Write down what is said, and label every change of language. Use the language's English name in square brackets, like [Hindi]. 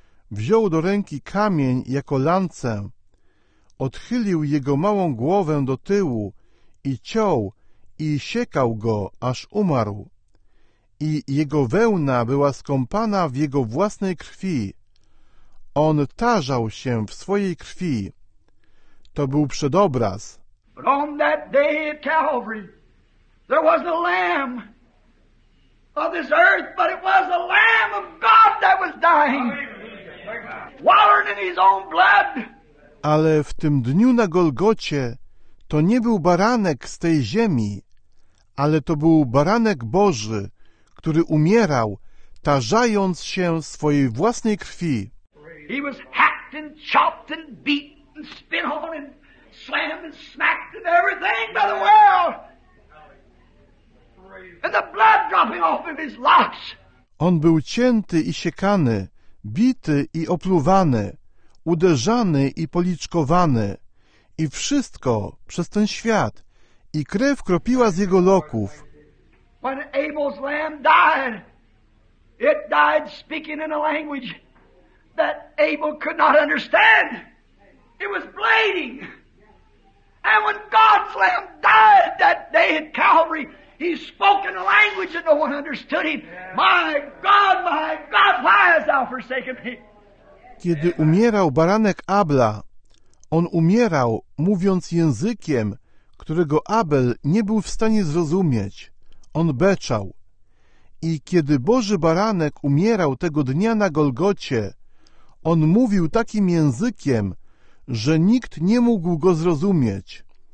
[Polish] Wziął do ręki kamień jako lancę, odchylił jego małą głowę do tyłu i ciął i siekał go, aż umarł. i jego wełna była skąpana w jego własnej krwi. On tarzał się w swojej krwi. To był przedobraz. [English] But on that day at Calvary, there was a lamb of this earth, but it was a lamb of God that was dying. Wallowing in his own blood. [Polish] Ale w tym dniu na Golgocie to nie był baranek z tej ziemi, ale to był baranek Boży, który umierał, tarzając się swojej własnej krwi. [English] He was hacked and chopped and beat and spit on and slammed and smacked and everything by the world. And the blood dropping off of his locks. [Polish] On był cięty i siekany, bity i opluwany, uderzany i policzkowany, i wszystko przez ten świat, i krew kropiła z jego loków. [English] When Abel's lamb died, it died speaking in a language that Abel could not understand. It was bleeding. And when God's lamb died that day at Calvary, he spoke in a language that no one understood him. My God, why hast thou forsaken me? [Polish] Kiedy umierał baranek Abla, on umierał, mówiąc językiem, którego Abel nie był w stanie zrozumieć. On beczał. I kiedy Boży Baranek umierał tego dnia na Golgocie, on mówił takim językiem, że nikt nie mógł go zrozumieć.